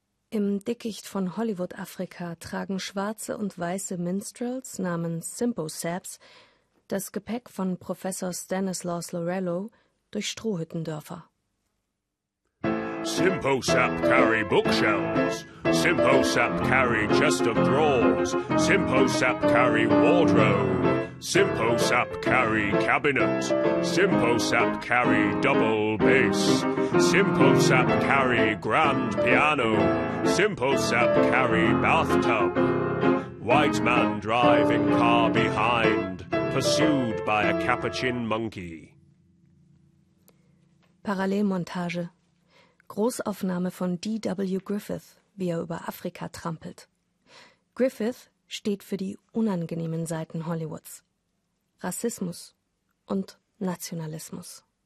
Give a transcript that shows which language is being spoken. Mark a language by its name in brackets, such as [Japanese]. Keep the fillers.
[German] Im Dickicht von Hollywood Afrika tragen schwarze und weiße Minstrels namens Simpo Saps das Gepäck von Professor Stanislaus Lorello durch Strohhüttendörfer. [English] Simposap carry bookshelves. Simposap carry chest of drawers. Simposap carry wardrobe. Simposap carry cabinet. Simposap carry double bass. Simposap carry grand piano. Simposap carry bathtub. White man driving car behind, pursued by a capuchin monkey. [German] Parallelmontage. Großaufnahme von D.W. Griffith, wie er über Afrika trampelt. Griffith steht für die unangenehmen Seiten Hollywoods. Rassismus und Nationalismus.